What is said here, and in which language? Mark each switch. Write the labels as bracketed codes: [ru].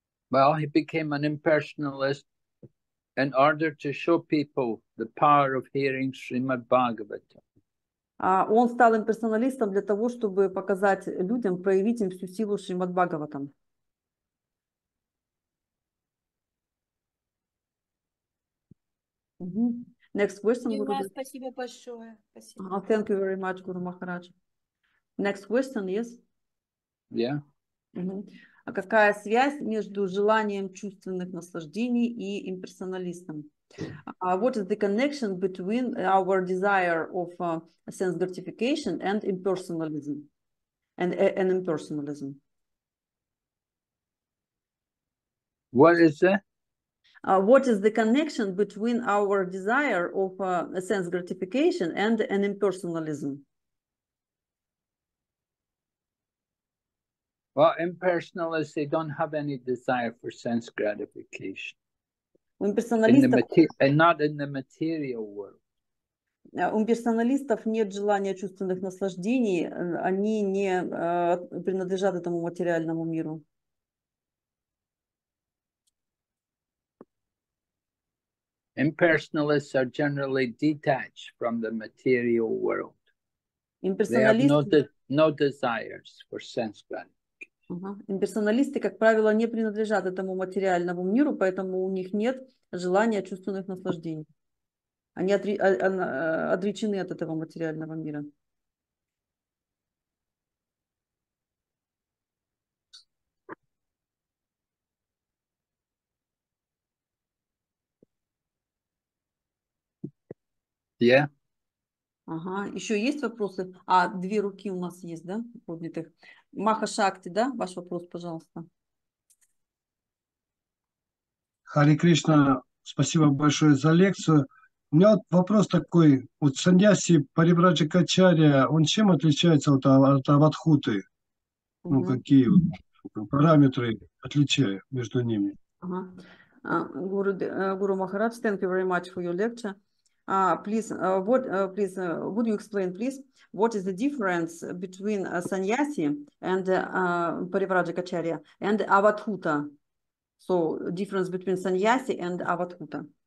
[en] Well, he became an impersonalist in order to show people the power of hearing Srimad Bhagavatam. [ru] Он стал имперсоналистом для того, чтобы показать людям, проявить им всю силу Шримад-Бхагаватам. [en] Next question, Guru Dev. [ru] Спасибо большое. Спасибо. [en] Oh, thank you very much, Guru Maharaj. Next question, yes? Yeah. [ru] А какая связь между желанием чувственных наслаждений и имперсоналистом? [en] What is the connection between our desire of sense gratification and impersonalism? And impersonalism? What is that? What is the connection between our desire of sense gratification and an impersonalism? Well, impersonalists, they don't have any desire for sense gratification. [ru] У имперсоналистов нет желания чувственных наслаждений, они не принадлежат этому материальному миру. [en] Impersonalists are generally detached from the material world. [ru] Имперсоналисты, как правило, не принадлежат этому материальному миру, поэтому у них нет желания чувственных наслаждений. Они отречены от этого материального мира. [en] Yeah. [ru] Ага, еще есть вопросы? А, две руки у нас есть, да, поднятых. Маха Шакти, да, ваш вопрос, пожалуйста. Хари Кришна, спасибо большое за лекцию. У меня вот вопрос такой. Вот Саньяси Парибраджа Качария, он чем отличается от Аватхуты? Ну, какие вот параметры отличия между ними? [en] Ага. Гуру Махарадж, thank you very much for your lecture. Would you explain, please, what is the difference between sannyasi and parivrajakacharya and avadhuta? So, difference between sannyasi and avadhuta.